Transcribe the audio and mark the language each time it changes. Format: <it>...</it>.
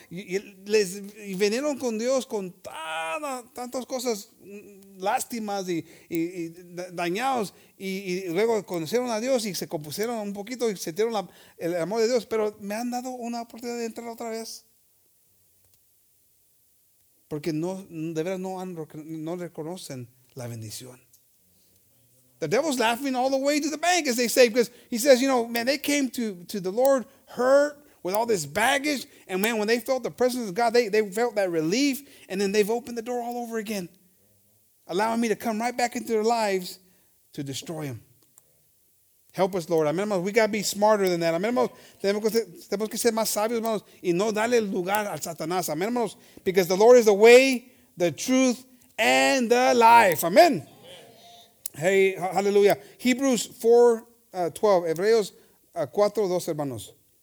<es>Y vinieron con Dios con tantas cosas, lástimas y dañados. Y luego conocieron a Dios y se compusieron un poquito y sintieron el amor de Dios. Pero me han dado una oportunidad de entrar otra vez. Porque no, de veras no reconocen la bendición.</es> <en>The devil's laughing all the way to the bank, as they say, because he says, you know, man, they came to the Lord hurt with all this baggage. And man, when they felt the presence of God, they felt that relief. And then they've opened the door all over again, allowing me to come right back into their lives to destroy them. Help us, Lord.</en> <es>Amen, hermanos.</es> <en>We got to be smarter than that.</en> <es>Amen, hermanos. Tenemos que ser más sabios, hermanos, y no darle lugar al Satanás. Amen, hermanos.</es> <en>Because the Lord is the way, the truth, and the life. Amen. Hey, hallelujah. Hebrews 4, 12.</en> <es>Hebreos 4, 12, hermanos.</es>